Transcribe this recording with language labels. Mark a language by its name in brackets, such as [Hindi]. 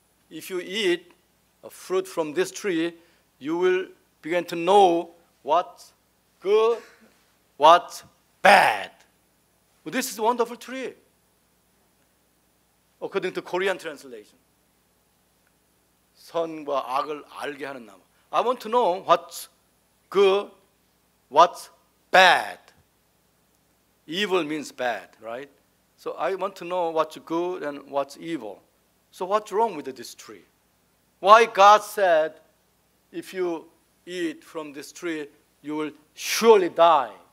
[English] If you eat a fruit from this tree, you will begin to know what's good, what's bad. Well, this is a wonderful tree, according to Korean translation. [Korean] 선과 악을 알게 하는 나무. [English] I want to know what's good, what's bad. Evil means bad, right? So I want to know what's good and what's evil. So what's wrong with this tree? Why God said, if you eat from this tree, you will surely die?